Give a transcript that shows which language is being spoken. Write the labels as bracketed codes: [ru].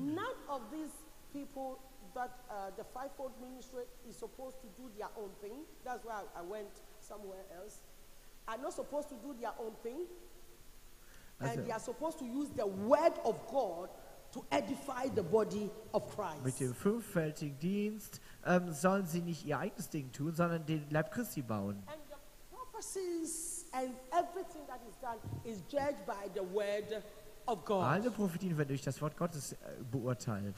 [en] None of these people that the fivefold ministry is supposed to do their own thing. That's why I went somewhere else. Are not supposed to do their own thing. And also, they are supposed to use the word of God to edify the body of Christ. [de] Mit dem fünffältigen Dienst sollen sie nicht ihr eigenes Ding tun, sondern den Leib Christi bauen. [en] And the prophecies and everything that is done is judged by the word of God. [de] Alle Prophetien werden durch das Wort Gottes beurteilt.